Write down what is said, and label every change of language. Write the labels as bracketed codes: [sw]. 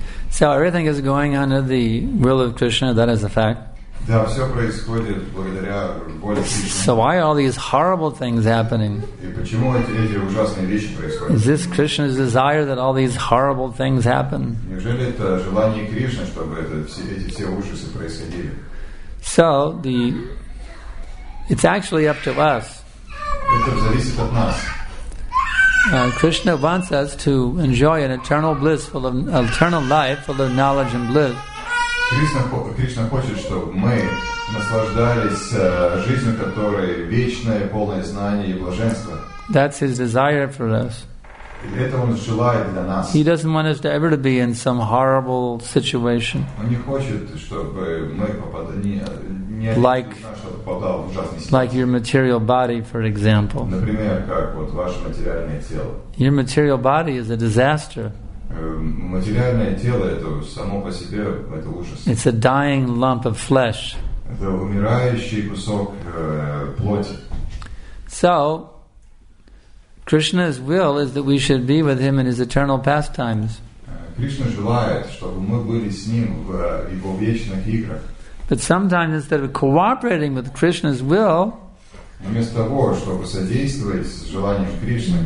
[en] So everything is going under the will of Krishna. That is a fact. [ru] Да, все происходит благодаря воле Кришны. [en] So why are all these horrible things happening? [ru] И почему эти ужасные вещи происходят? [en] Is this Krishna's desire that all these horrible things happen? [ru] Неужели это желание Кришны, чтобы все ужасы происходили? [en] So it's actually up to us. [ru] Это зависит от нас. [en] Krishna wants us to enjoy an eternal bliss, full of eternal life, full of knowledge and bliss. [ru] Кришна хочет, чтобы мы наслаждались жизнью, которая вечная, полная знания и блаженства. [en] That's his desire for us. [ru] И это он желает для нас. [en] He doesn't want us to ever to be in some horrible situation. [ru] Он не хочет, чтобы мы попадали в ужасные ситуации. [en] Like your material body, for example. [ru] Например, как вот ваше материальное тело. [en] Your material body is a disaster. [ru] Материальное тело это само по себе это ужас. [en] It's a dying lump of flesh. [ru] Это умирающий кусок плоти. [en] So, Krishna's will is that we should be with him in his eternal pastimes. [ru] Кришна желает, чтобы мы были с ним в его вечных играх. [en] But sometimes instead of cooperating with Krishna's will, [ru] вместо того, чтобы содействовать желаниям Кришны,